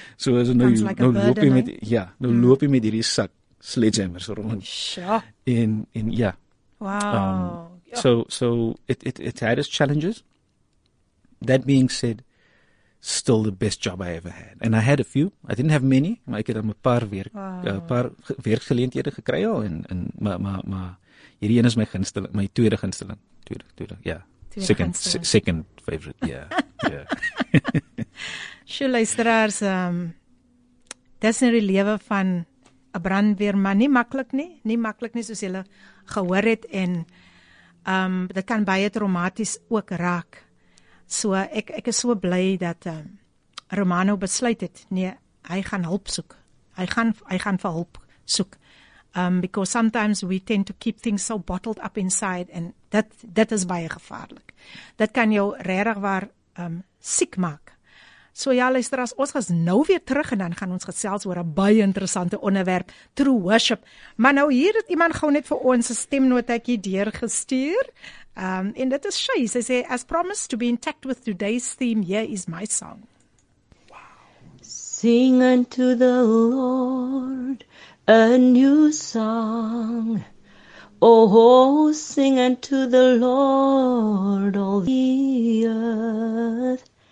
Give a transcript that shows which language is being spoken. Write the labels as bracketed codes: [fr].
[en] So as you know, [af] loop jy met hierdie sak sledgehammers rond. [en] Sure. In yeah. Wow. So it had its challenges. That being said, still the best job I ever had. And I had a few. I didn't have many. [af] Maar ek het al 'n paar werk, paar werkgeleenthede gekry al. Maar hierdie een is my gunsteling, my tweede gunsteling. [en] Second favorite. Yeah. [af] Sjoe, luisteraars, dis in die lewe van 'n brandweerman nie maklik nie. Nie maklik nie soos jy gehoor het en dit kan baie traumaties ook raak. So ek is so bly dat Romano besluit het, nee, hy gaan hulp soek. Hy gaan vir hulp soek. [en] Because sometimes we tend to keep things so bottled up inside and that is [af] baie gevaarlik. Dit kan jou regtig waar siek maak. So ja, luister, as ons gas nou weer terug en dan gaan ons gesels oor 'n baie interessante onderwerp, [en] true worship. [af] Maar nou hier het iemand gou net vir ons 'n stemnotetjie deurgestuur. En dit is Shay. Sy sê, [en] "As promised to be intact with today's theme, here is my song." Wow. Sing unto the Lord a new song. Oh, sing unto the Lord all the earth.